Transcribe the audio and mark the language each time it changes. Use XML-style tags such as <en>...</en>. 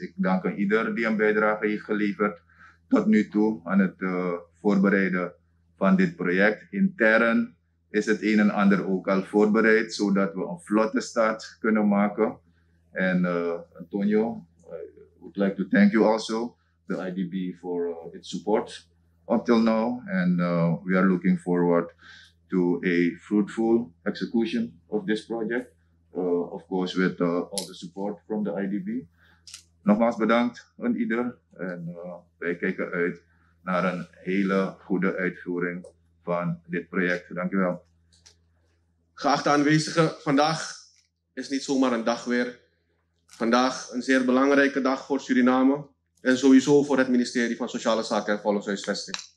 <nl>Ik dank aan ieder die een bijdrage heeft geleverd tot nu toe aan het voorbereiden van dit project. Intern is het een en ander ook al voorbereid, zodat we een vlotte start kunnen maken.</nl> <en>En Antonio, I would like to thank you also, the IDB, for its support up till now. And we are looking forward to a fruitful execution of this project. Of course, with all the support from the IDB.</en> <nl>Nogmaals bedankt aan ieder. En wij kijken uit naar een hele goede uitvoering van dit project. Dank u wel. Geachte aanwezigen, vandaag is niet zomaar een dag weer. Vandaag een zeer belangrijke dag voor Suriname. En sowieso voor het ministerie van Sociale Zaken en Volkshuisvesting.</nl>